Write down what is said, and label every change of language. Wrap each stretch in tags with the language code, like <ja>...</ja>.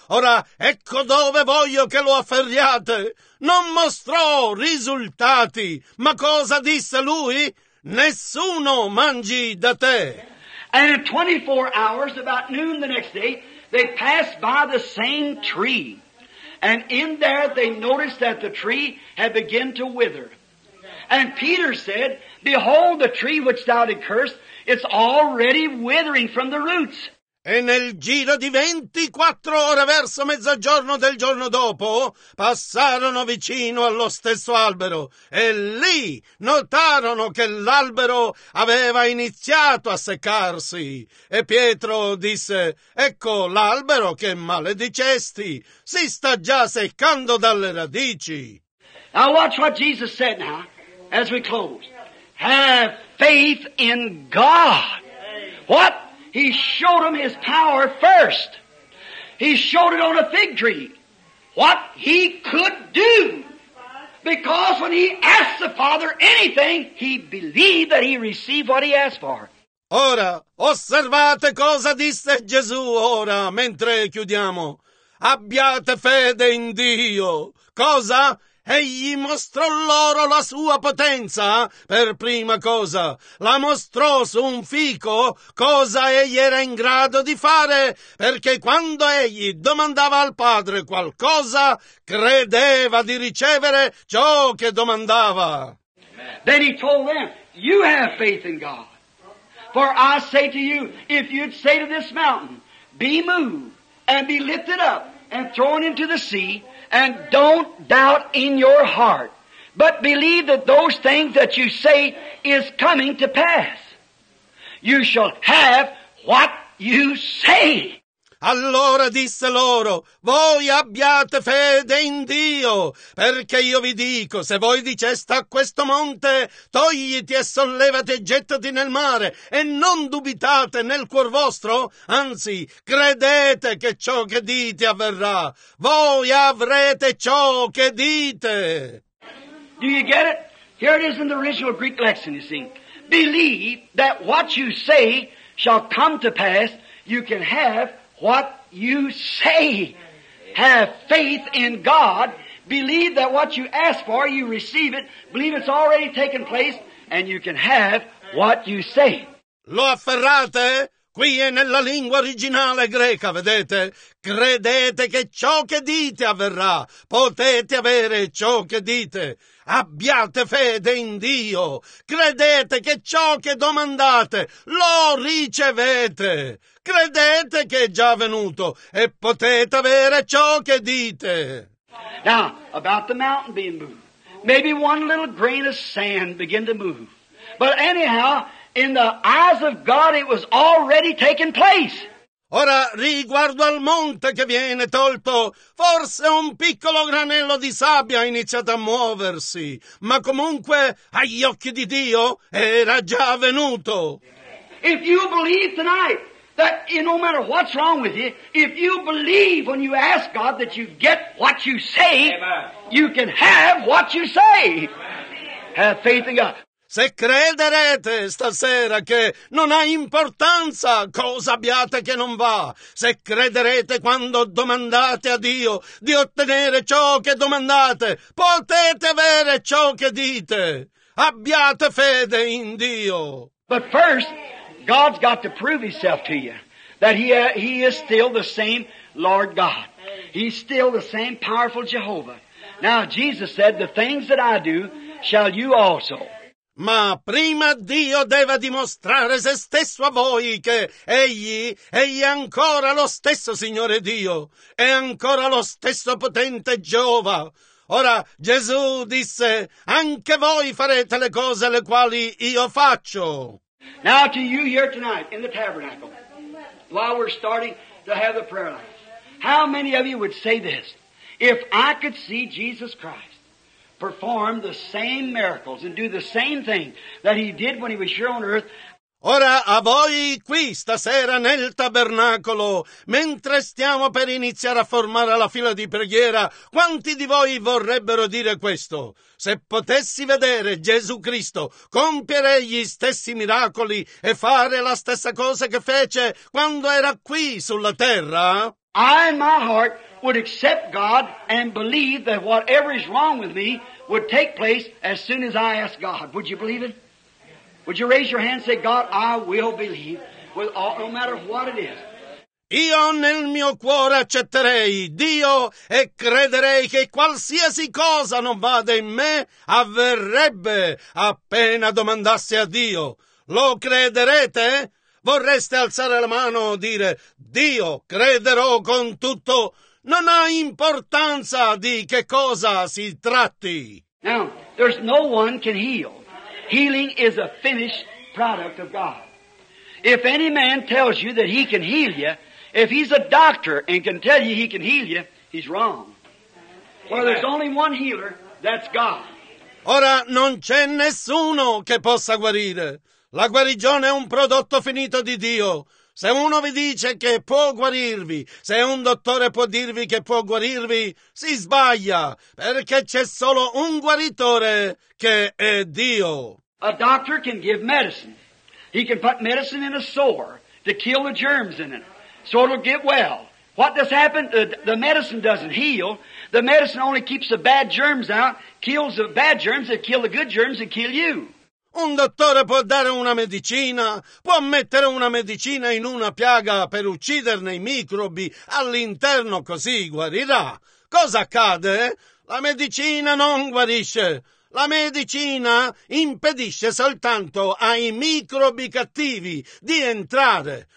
<it>Ora ecco dove voglio che lo afferriate. Non mostrò risultati, ma cosa disse lui? Nessuno mangi da te.</it> <en>And in 24 hours, about noon the next day, they passed by the same tree. And in there they noticed that the tree had begun to wither. And Peter said, behold the tree which thou did curse, it's already withering from the roots.</en> <it>E nel giro di 24 ore verso mezzogiorno del giorno dopo, passarono vicino allo stesso albero. E lì notarono che l'albero aveva iniziato a seccarsi. E Pietro disse, ecco l'albero che maledicesti, si sta già seccando dalle radici.</it> <en>Now watch what Jesus said now, as we close. Have faith in God. What? He showed him his power first. He showed it on a fig tree. What he could do. Because when he asked the Father anything, he believed that he received what he asked for.</en> <it>Ora, osservate cosa disse Gesù ora, mentre chiudiamo. Abbiate fede in Dio. Cosa? Egli mostrò loro la sua potenza, per prima cosa. La mostrò su un fico, cosa egli era in grado di fare, perché quando egli domandava al Padre qualcosa, credeva di ricevere ciò che domandava.</it> <en>Then he told them, you have faith in God. For I say to you, if you'd say to this mountain, be moved, and be lifted up, and thrown into the sea, and don't doubt in your heart, but believe that those things that you say is coming to pass. You shall have what you say.</en> <it>Allora disse loro, voi abbiate fede in Dio, perché io vi dico, se voi diceste a questo monte, togliti e sollevati e gettati nel mare, e non dubitate nel cuor vostro, anzi, credete che ciò che dite avverrà, voi avrete ciò che dite.</it> <en>Do you get it? Here it is in the original Greek lesson, you see. Believe that what you say shall come to pass, you can have what you say. Have faith in God. Believe that what you ask for, you receive it. Believe it's already taken place, and you can have what you say.</en> <it>Lo afferrate? Qui è nella lingua originale greca, vedete? Credete che ciò che dite avverrà. Potete avere ciò che dite. Abbiate fede in Dio. Credete che ciò che domandate lo ricevete. Credete che è già venuto e potete avere ciò che dite.</it> <en>Now, about the mountain being moved. Maybe one little grain of sand begin to move. But anyhow, in the eyes of God, it was already taken place.</en> <it>Ora, riguardo al monte che viene tolto, forse un piccolo granello di sabbia ha iniziato a muoversi, ma comunque, agli occhi di Dio, era già venuto.</it> <en>If you believe tonight that no matter what's wrong with you, if you believe when you ask God that you get what you say, amen, you can have what you say. Amen. Have faith in God.</en> <it>Se crederete stasera che non ha importanza cosa abbiate che non va, se crederete quando domandate a Dio di ottenere ciò che domandate, potete avere ciò che dite. Abbiate fede in Dio.</it> <en>But first, God's got to prove himself to you, that he is still the same Lord God. He's still the same powerful Jehovah. Now, Jesus said, the things that I do, shall you also.</en> <it>Ma prima Dio deve dimostrare se stesso a voi che egli è ancora lo stesso Signore Dio, è ancora lo stesso potente Geova. Ora Gesù disse, anche voi farete le cose le quali io faccio.</it> <en>Now to you here tonight in the tabernacle, while we're starting to have the prayer lines, how many of you would say this, if I could see Jesus Christ perform the same miracles and do the same thing that he did when he was here on earth.</en> <it>Ora a voi qui stasera nel tabernacolo, mentre stiamo per iniziare a formare la fila di preghiera, quanti di voi vorrebbero dire questo? Se potessi vedere Gesù Cristo compiere gli stessi miracoli e fare la stessa cosa che fece quando era qui sulla terra?</it> <en>I in my heart would accept God and believe that whatever is wrong with me would take place as soon as I ask God. Would you believe it? Would you raise your hand and say, God, I will believe, with all, no matter what it is.</en> <it>Io nel mio cuore accetterei Dio e crederei che qualsiasi cosa non vada in me avverrebbe appena domandassi a Dio. Lo crederete? Vorreste alzare la mano e dire, Dio, crederò con tutto. Non ha importanza di che cosa si tratti.</it> <en>Now, there's no one can heal. Healing is a finished product of God. If any man tells you that he can heal you, if he's a doctor and can tell you he can heal you, he's wrong. Well, there's only one healer, that's God.</en> <it>Ora, non c'è nessuno che possa guarire. La guarigione è un prodotto finito di Dio. Se uno vi dice che può guarirvi, se un dottore può dirvi che può guarirvi, si sbaglia, perché c'è solo un guaritore che è Dio.</it> <en>A doctor can give medicine. He can put medicine in a sore to kill the germs in it, so it'll get well. What does happen? The medicine doesn't heal. The medicine only keeps the bad germs out, kills the bad germs that kill the good germs that kill you.</en> <it>Un dottore può dare una medicina, può mettere una medicina in una piaga per ucciderne i microbi, all'interno così guarirà. Cosa accade? La medicina non guarisce, La medicina impedisce soltanto ai microbi cattivi di entrare.</it>